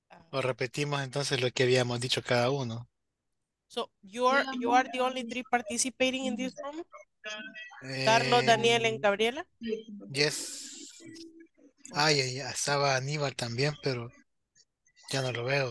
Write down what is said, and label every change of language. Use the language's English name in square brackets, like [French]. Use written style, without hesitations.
[Spanish] O repetimos entonces lo que habíamos dicho cada uno. [English] So you are the only three participating in this room? Carlos, Daniel, and Gabriela. Yes. [Spanish] Ay, ay, estaba Aníbal también, pero ya no lo veo.